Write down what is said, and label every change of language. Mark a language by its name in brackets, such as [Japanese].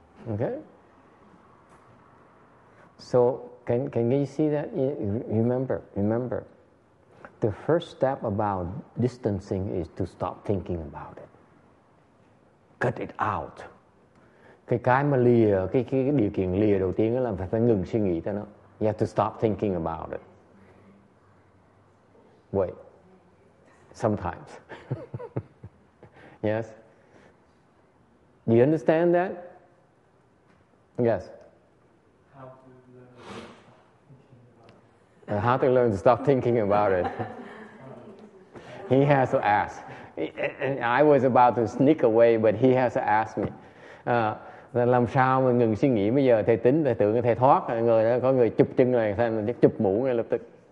[English] Okay? So Can you see that? Remember, the first step about distancing is to stop thinking about it. Cut it out. [Vietnamese] Cái mà lìa, cái điều kiện lìa đầu tiên là phải ngừng suy nghĩ thôi. [English] You have to stop thinking about it. Wait. Sometimes. Yes? Do you understand that? Yes. How to learn to stop thinking about it? He has to ask. And I was about to sneak away, but he has to ask me. [Vietnamese] Làm sao mà ngừng suy nghĩ bây giờ? Thầy tính, thầy tưởng, thầy thoát. Người đó, có người chụp chân này, chụp mũ ngay lập tức.